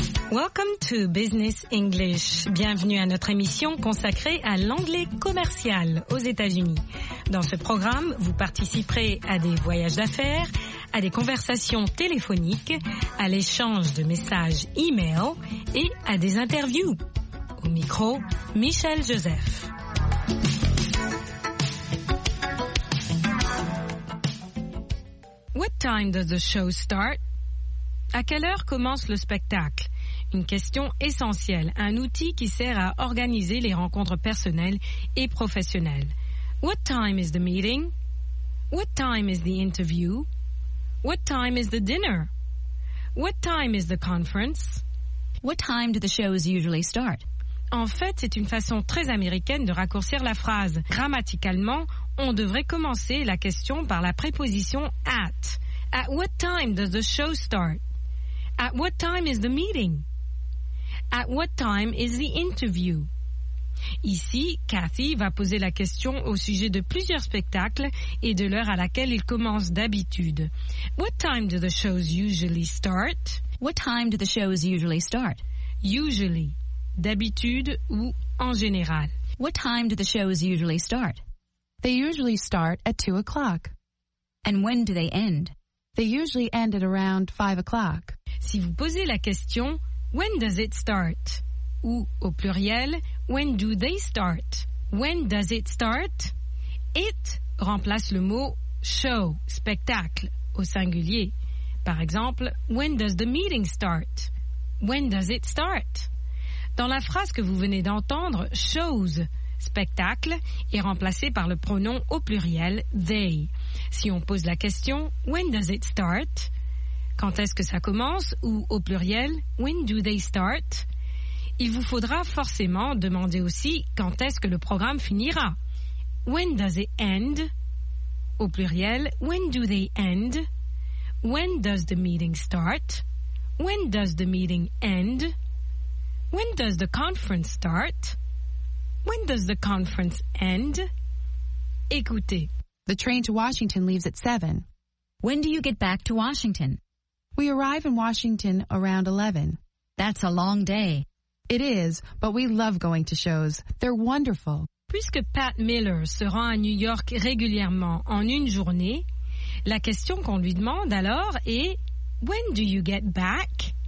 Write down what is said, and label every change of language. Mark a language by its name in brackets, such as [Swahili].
[English] Welcome to Business English. [French] Bienvenue à notre émission consacrée à l'anglais commercial aux États-Unis. Dans ce programme, vous participerez à des voyages d'affaires, à des conversations téléphoniques, à l'échange de messages e-mail et à des interviews. Au micro, Michel Joseph. [English] What time does the show start? [French] À quelle heure commence le spectacle? Une question essentielle, un outil qui sert à organiser les rencontres personnelles et professionnelles. [English] What time is the meeting? What time is the interview? What time is the dinner? What time is the conference? What time do the shows usually start? [French] En fait, c'est une façon très américaine de raccourcir la phrase. Grammaticalement, on devrait commencer la question par la préposition at. [English] At what time does the show start? At what time is the meeting? At what time is the interview? [French] Ici, Cathy va poser la question au sujet de plusieurs spectacles et de l'heure à laquelle ils commencent d'habitude. [English] What time do the shows usually start? What time do the shows usually start? Usually. [French] D'habitude ou en général. [English] What time do the shows usually start? They usually start at 2 o'clock. And when do they end? They usually end at around 5 o'clock. [French] Si vous posez la question, [English] when does it start? [French] Ou au pluriel, [English] when do they start? When does it start? [French] It remplace le mot show, spectacle, au singulier. Par exemple, [English] when does the meeting start? When does it start? [French] Dans la phrase que vous venez d'entendre, shows, spectacle, est remplacé par le pronom au pluriel they. Si on pose la question, [English] when does it start? [French] Quand est-ce que ça commence? Ou au pluriel, [English] when do they start? [French] Il vous faudra forcément demander aussi quand est-ce que le programme finira. [English] When does it end? [French] Au pluriel, [English] when do they end? When does the meeting start? When does the meeting end? When does the conference start? When does the conference end? [French] Écoutez. [English] The train to Washington leaves at 7. When do you get back to Washington? We arrive in Washington around 11. That's a long day. It is, but we love going to shows. They're wonderful. [French] Puisque Pat Miller se rend à New York régulièrement en une journée, la question qu'on lui demande alors est [English] When do you get back?